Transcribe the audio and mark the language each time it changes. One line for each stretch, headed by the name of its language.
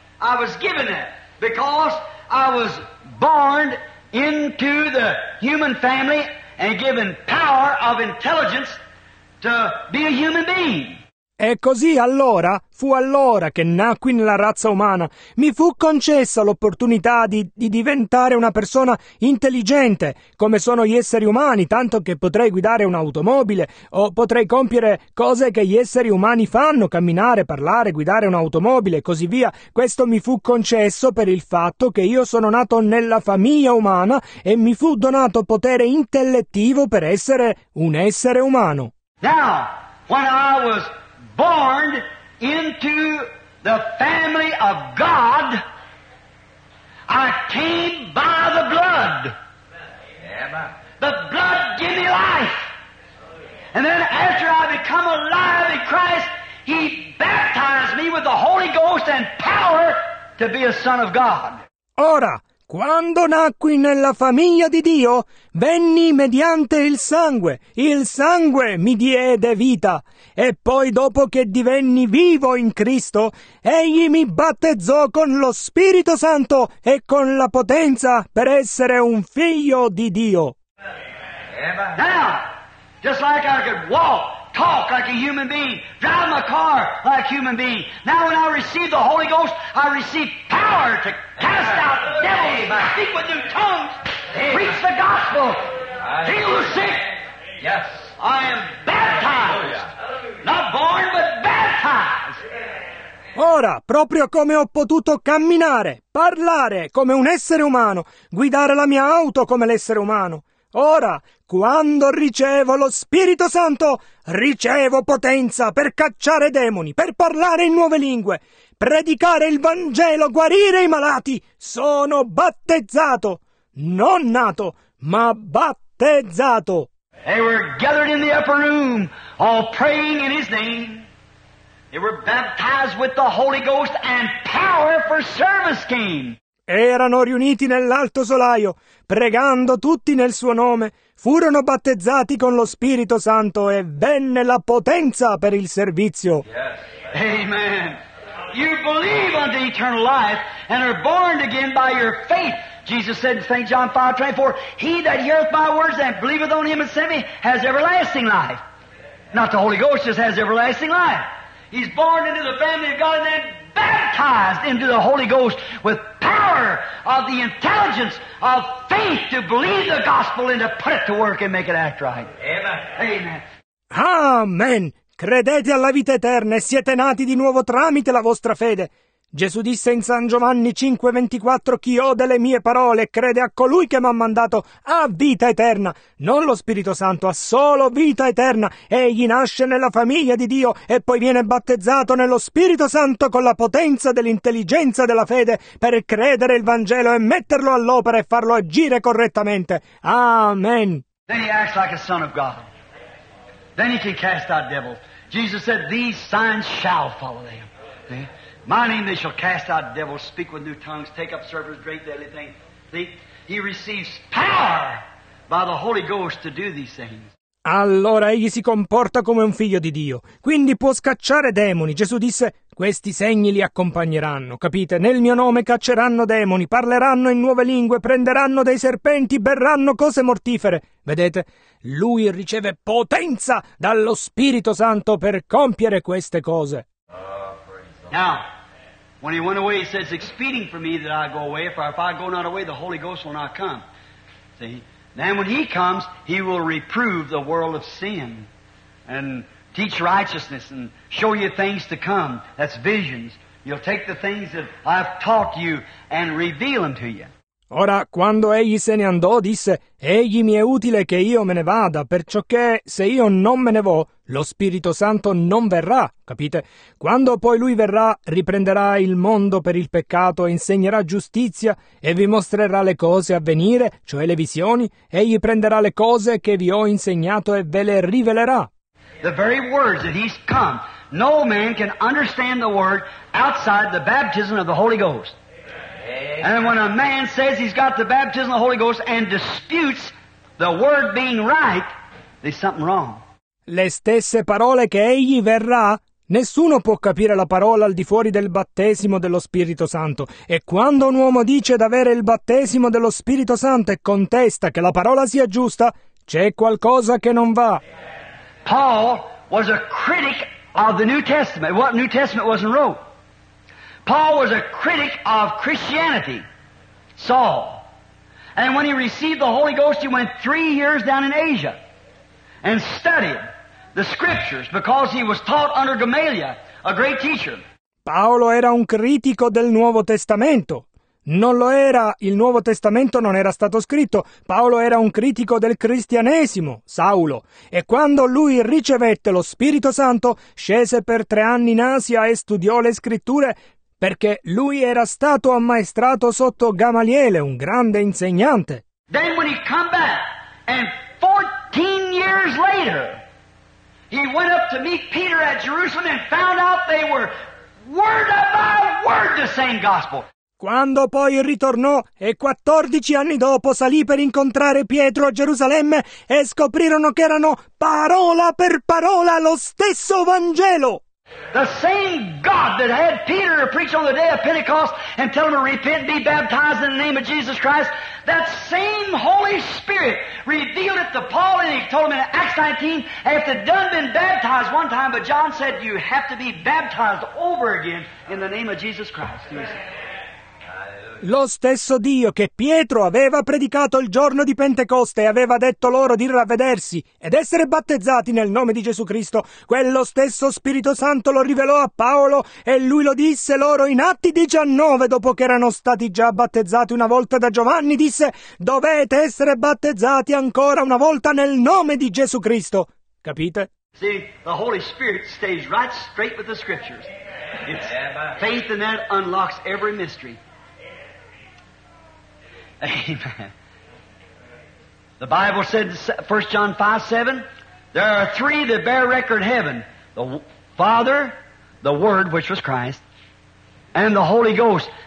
English: I was given that because I was born into the human family and given power of intelligence to be a human being.
Italian: E così allora, fu allora che nacqui nella razza umana, mi fu concessa l'opportunità di diventare una persona intelligente, come sono gli esseri umani, tanto che potrei guidare un'automobile, o potrei compiere cose che gli esseri umani fanno, camminare, parlare, guidare un'automobile, e così via. Questo mi fu concesso per il fatto che io sono nato nella famiglia umana e mi fu donato potere intellettivo per essere un essere umano.
English: Now, when I was born into the family of God, I came by the blood. The blood gave me life. And then after I become alive in Christ, He baptized me with the Holy Ghost and power to be a son of God.
Italian: Ora, quando nacqui nella famiglia di Dio, venni mediante il sangue mi diede vita, e poi dopo che divenni vivo in Cristo, Egli mi battezzò con lo Spirito Santo e con la potenza per essere un figlio di Dio.
English: Now, just like I could walk, talk like a human being, drive my car like a human being. Now when I receive the Holy Ghost, I receive power to cast out devils, speak with new tongues, preach the gospel, heal the sick. Yes. I am baptized. Not born, but baptized.
Italian: Ora, proprio come ho potuto camminare, parlare come un essere umano, guidare la mia auto come l'essere umano, ora, quando ricevo lo Spirito Santo, ricevo potenza per cacciare demoni, per parlare in nuove lingue, predicare il Vangelo, guarire i malati. Sono battezzato, non nato, ma battezzato.
English: They were gathered in the upper room, all praying in His name. They were baptized with the Holy Ghost and power for service came.
Italian: Erano riuniti nell'alto solaio, pregando tutti nel suo nome, furono battezzati con lo Spirito Santo e venne la potenza per il servizio.
English: Yes. Amen. You believe unto eternal life and are born again by your faith. Jesus said in St. John 5:24, He that heareth my words and believeth on him that sent me has everlasting life. Not the Holy Ghost, just has everlasting life. He's born into the family of God and then baptized into the Holy Ghost with power of the intelligence of faith to believe the gospel and to put it to work and make it act right. Amen. Amen.
Italian: Credete alla vita eterna e siete nati di nuovo tramite la vostra fede. Gesù disse in San Giovanni 5:24, chi ode le mie parole e crede a colui che mi ha mandato ha vita eterna, non lo Spirito Santo, ha solo vita eterna. Egli nasce nella famiglia di Dio e poi viene battezzato nello Spirito Santo con la potenza dell'intelligenza della fede per credere il Vangelo e metterlo all'opera e farlo agire correttamente. Amen.
English: Then he acts like a son of God. Then he can cast out devils. Jesus said, these signs shall follow them. My name they shall cast out devils, speak with new tongues, take up serpents, drink deadly things. See, he receives power by the Holy Ghost to do these things.
Italian: Allora egli si comporta come un figlio di Dio, quindi può scacciare demoni. Gesù disse: questi segni li accompagneranno, capite? Nel mio nome cacceranno demoni, parleranno in nuove lingue, prenderanno dei serpenti, berranno cose mortifere. Vedete? Lui riceve potenza dallo Spirito Santo per compiere queste cose.
English: Now, when he went away, he says, expedient for me that I go away, for if I go not away, the Holy Ghost will not come. See? Then when he comes, he will reprove the world of sin and teach righteousness and show you things to come. That's visions. You'll take the things that I've taught you and reveal them to you.
Italian: Ora, quando egli se ne andò, disse, egli mi è utile che io me ne vada, perciò che se io non me ne vo, lo Spirito Santo non verrà, capite? Quando poi lui verrà, riprenderà il mondo per il peccato, insegnerà giustizia e vi mostrerà le cose a venire, cioè le visioni, egli prenderà le cose che vi ho insegnato e ve le rivelerà.
English: The very words that he's come, no man can understand the word outside the baptism of the Holy Ghost. And when a man says he's got the baptism of the Holy Ghost and disputes the word being right, there's something wrong.
Italian: Le stesse parole che egli verrà, nessuno può capire la parola al di fuori del battesimo dello Spirito Santo. E quando un uomo dice d'avere il battesimo dello Spirito Santo e contesta che la parola sia giusta, c'è qualcosa che non va.
English: Paul was a critic of the New Testament. What New Testament wasn't wrote? Paul was a critic of Christianity, Saul. And when he received the Holy Ghost, he went 3 years down in Asia and studied the scriptures because he was taught under Gamaliel, a great teacher.
Italian: Paolo era un critico del Nuovo Testamento. Non lo era, il Nuovo Testamento non era stato scritto. Paolo era un critico del cristianesimo, Saulo. E quando lui ricevette lo Spirito Santo, scese per 3 anni in Asia e studiò le scritture, perché lui era stato ammaestrato sotto Gamaliele, un grande insegnante.
English: Then when he come back, and 14 years later, he went up to meet Peter at Jerusalem and found out they were word by word the same gospel.
Italian: Quando poi ritornò e 14 anni dopo salì per incontrare Pietro a Gerusalemme e scoprirono che erano parola per parola lo stesso Vangelo.
English: The same God that had Peter to preach on the day of Pentecost and tell him to repent and be baptized in the name of Jesus Christ, that same Holy Spirit revealed it to Paul and he told him in Acts 19, after done been baptized one time, but John said you have to be baptized over again in the name of Jesus Christ.
Italian: Lo stesso Dio che Pietro aveva predicato il giorno di Pentecoste e aveva detto loro di ravvedersi ed essere battezzati nel nome di Gesù Cristo, quello stesso Spirito Santo lo rivelò a Paolo e lui lo disse loro in Atti 19, dopo che erano stati già battezzati una volta da Giovanni, disse: dovete essere battezzati ancora una volta nel nome di Gesù Cristo. Capite?
English: See, the Holy Spirit stays right straight with the scriptures. It's faith in that unlocks every mystery. Amen. The Bible said, 1 John 5:7, there are three that bear record in heaven, the Father, the Word, which was Christ, and the Holy Ghost.